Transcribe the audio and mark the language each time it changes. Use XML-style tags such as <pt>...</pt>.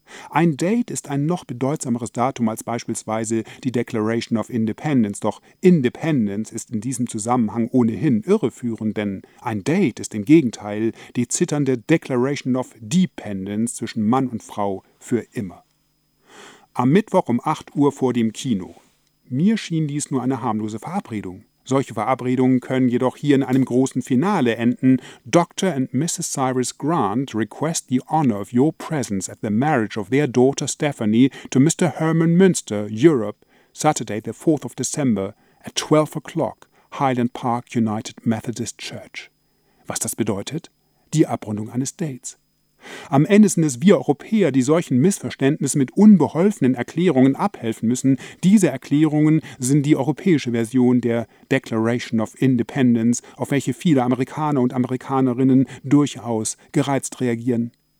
<de>Ein Date ist ein noch bedeutsameres Datum als beispielsweise die Declaration of Independence, doch Independence ist in diesem Zusammenhang ohnehin irreführend, denn ein Date ist im Gegenteil die zitternde Declaration of Dependence zwischen Mann und Frau für immer. Am Mittwoch um 8 Uhr vor dem Kino. Mir schien dies nur eine harmlose Verabredung. Solche Verabredungen können jedoch hier in einem großen Finale enden.</de> <en>Dr. and Mrs. Cyrus Grant request the honor of your presence at the marriage of their daughter Stephanie to Mr. Herman Münster, Europe, Saturday the 4th of December at 12 o'clock, Highland Park United Methodist Church.</en> <de>Was das bedeutet? Die Abrundung eines Dates. Am Ende sind es wir Europäer, die solchen Missverständnissen mit unbeholfenen Erklärungen abhelfen müssen. Diese Erklärungen sind die europäische Version der Declaration of Independence, auf welche viele Amerikaner und Amerikanerinnen durchaus gereizt reagieren.</de>